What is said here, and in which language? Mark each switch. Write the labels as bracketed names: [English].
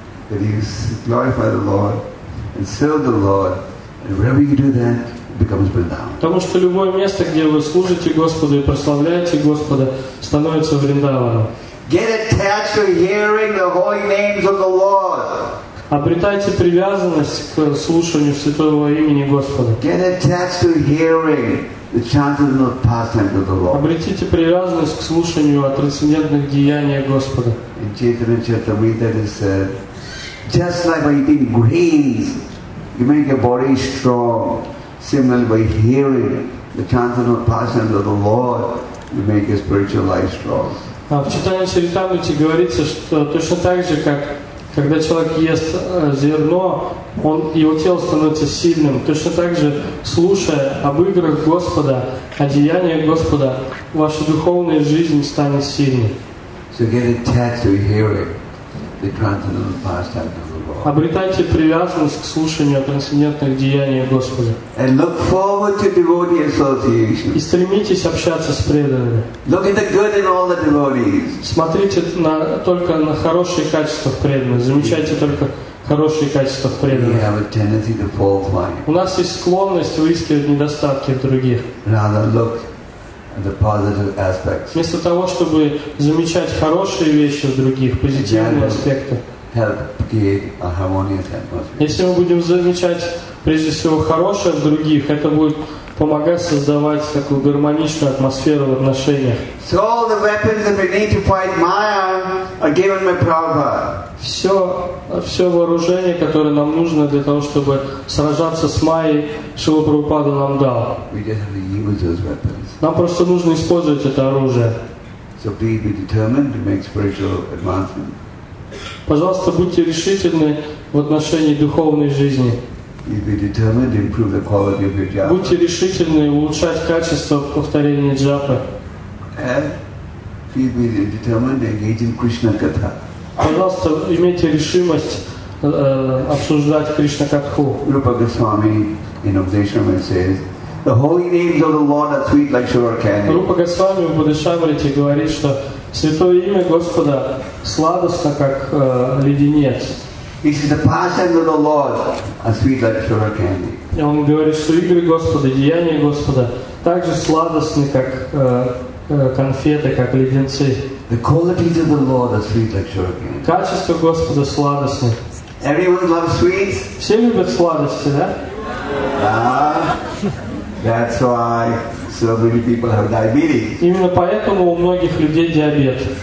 [English] That you glorify the Lord and serve the Lord, and wherever you do that, it becomes Vrindavan. [Russian] Потому что любое место, где вы служите Господу и прославляете Господа, становится Вриндаваном. [English] Get attached to hearing the holy names of the Lord. [Russian] Обретайте привязанность к слушанию святого имени Господа. [English] Get attached to hearing the chanting of pastimes of the Lord. [Russian] Обретите привязанность к слушанию о трансцендентных деяниях Господа. [English] In Chaitanya Charitamrita it is said. Just like by eating grains, you make your body strong. Similarly, by hearing the chanting of pastimes of the Lord, you make your spiritual life strong. [Russian] В читании Чаритамриты говорится, что точно так же, как когда человек ест зерно, он его тело становится сильным. Точно так же, слушая об играх Господа, о деяниях Господа, ваша духовная жизнь станет сильной. [English] So get attached to hearing. The transcendental pastimes of the Lord. [Russian] Обретайте привязанность к слушанию о трансцендентных деяниях Господа. [English] And look forward to devotee association. [Russian] И стремитесь общаться с преданными. [English] Look at the good in all the devotees. [Russian] Смотрите только на хорошие качества в преданных. Замечайте только хорошие качества в преданных. [English] We have a tendency to fall flying. [Russian] У нас есть склонность выискивать недостатки в других. [English] Rather look the positive aspects. [Russian] Вместо того, чтобы замечать хорошие вещи в других, позитивные аспекты, [English] help create a harmonious atmosphere. [Russian] Если мы будем замечать, прежде всего, хорошее в других, это будет помогать создавать такую гармоничную атмосферу в отношениях. [English] So all the weapons that we need to fight Maya are given by Prabhupada. [Russian] Все вооружение, которое нам нужно для того, чтобы сражаться с Майей, Шрила Прабхупада нам дал. [English] We just have to use those weapons. [Russian] Нам просто нужно использовать это оружие. [English] So please be determined to make spiritual advancement. [Russian] Пожалуйста, будьте решительны в отношении духовной жизни. [English] You'd be determined to improve the quality of your japa. [Russian] Будьте решительны улучшать качество повторения джапы. [English] And be determined to engage in Krishna katha. [Russian] Пожалуйста, имейте решимость обсуждать Кришна катху. [English] Rupa Goswami in Upadeshamrita says, "The holy names of the Lord are sweet like sugar candy." [Russian] Rupa Goswami в Упадешамрите говорит, что святое имя Господа сладостно как леденец. [English] He says the pastimes of the Lord are sweet like sugar candy. [Russian] И он говорит, что игры Господа, деяния Господа также сладостны, как конфеты, как леденцы. [English] The qualities of the Lord are sweet like sugar candy. [Russian] Качества Господа сладостны. [English] Everyone loves sweets. [Russian] Все любят сладости, да? [English] That's why so many people have diabetes. [Russian] Именно поэтому у многих людей диабет.